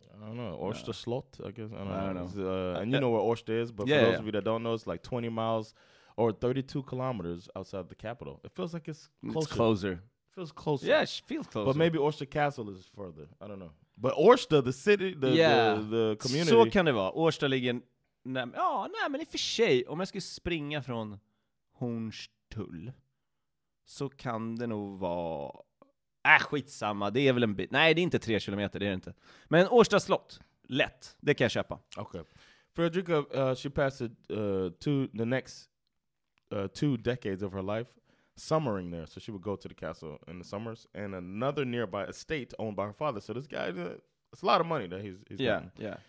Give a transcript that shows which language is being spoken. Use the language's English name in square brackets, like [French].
[English] I don't know. Årsta Slott, I guess. I don't know. You know where Årsta is, but for those of you that don't know, it's like 20 miles or 32 kilometers outside the capital. It feels like it's closer. It's closer. It feels closer. Yeah, it feels closer. But maybe Årsta Castle is further. I don't know. But Årsta, the city, the community. [Swedish] Så kan det vara. Årsta ligger... Men i och för sig, om jag skulle springa från Hornstull så kan det nog vara... Skitsamma, det är väl en bit. Nej, det är inte 3 kilometer, det är det inte. Men Årsta slott, lätt. Det kan jag köpa. [English] Okay. Fredrika, she passed the next 2 decades of her life summering there. So she would go to the castle in the summers and another nearby estate owned by her father. So this guy, it's a lot of money that he's yeah, getting. Yeah.